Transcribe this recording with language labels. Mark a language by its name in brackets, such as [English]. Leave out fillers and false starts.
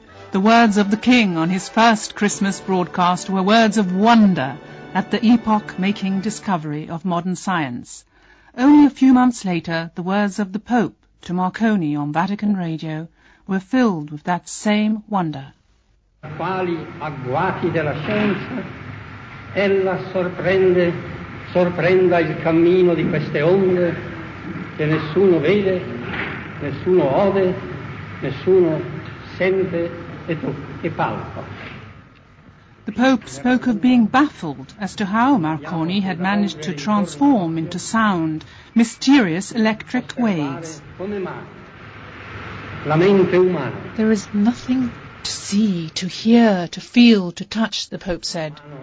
[English] The words of the King on his first Christmas broadcast were words of wonder at the epoch-making discovery of modern science. Only a few months later, the words of the Pope to Marconi on Vatican Radio were filled with that same wonder. [Italian] Quali agguati della scienza, ella sorprende, sorprenda il cammino di queste onde che nessuno vede, nessuno ode, nessuno sente. [English] The Pope spoke of being baffled as to how Marconi had managed to transform into sound mysterious electric waves. There is nothing to see, to hear, to feel, to touch, the Pope said.